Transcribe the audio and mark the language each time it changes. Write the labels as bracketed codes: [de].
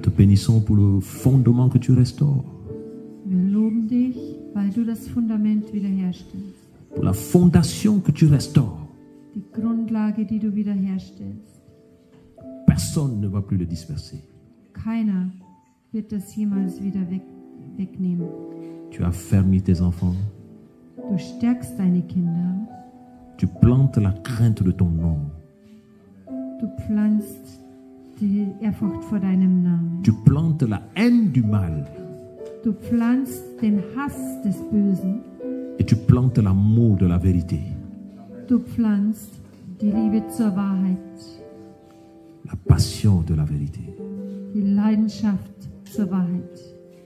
[fr] Te bénissons pour le fondement que tu restaures. [de] Wir loben dich, weil du das Fundament wiederherstellst. [fr] Pour la fondation que tu restaures. [de] Die Grundlage, die du wiederherstellst. [fr] Personne ne va plus le disperser. [de] Keiner wird das jemals wieder wegnehmen. [fr] Tu affermis tes enfants. [de] Du stärkst deine Kinder. [fr] Tu plantes la crainte de ton nom. [de] Du pflanzt die Ehrfurcht vor deinem Namen. [fr] Tu plantes la haine du mal. [de] Du pflanzt den Hass des Bösen. [fr] Et tu plantes l'amour de la vérité. [de] Du pflanzt die Liebe zur Wahrheit. [fr] La passion de la vérité. [de] Die Leidenschaft zur Wahrheit.